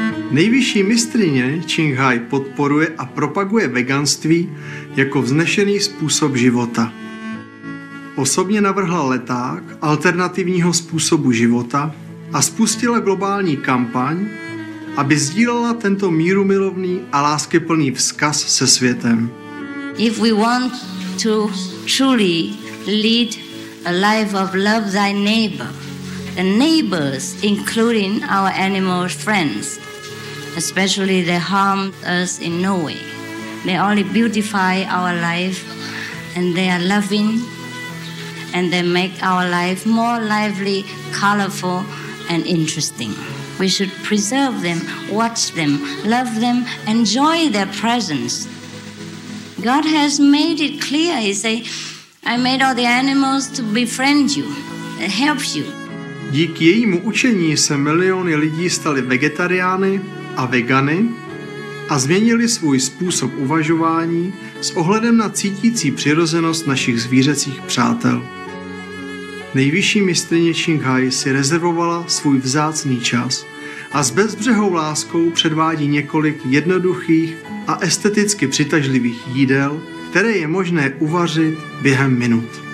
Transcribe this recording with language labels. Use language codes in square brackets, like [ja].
[cs] Nejvyšší mistryně Ching Hai podporuje a propaguje veganství jako vznešený způsob života. Osobně navrhla leták alternativního způsobu života a spustila globální kampaň, aby sdílela tento mírumilovný a láskyplný vzkaz se světem. [en] If we want to truly lead a life of love thy neighbor, the neighbors including our animal friends, especially they harmed us in no way. They only beautify our life and they are loving and they make our life more lively, colorful and interesting. We should preserve them, watch them, love them, enjoy their presence. God has made it clear. He say, I made all the animals to befriend you, help you. [cs] Díky jejímu učení se miliony lidí stali vegetariány a vegany a změnili svůj způsob uvažování s ohledem na cítící přirozenost našich zvířecích přátel. Nejvyšší mistryně Ching Hai si rezervovala svůj vzácný čas a s bezbřehou láskou předvádí několik jednoduchých a esteticky přitažlivých jídel, které je možné uvařit během minut.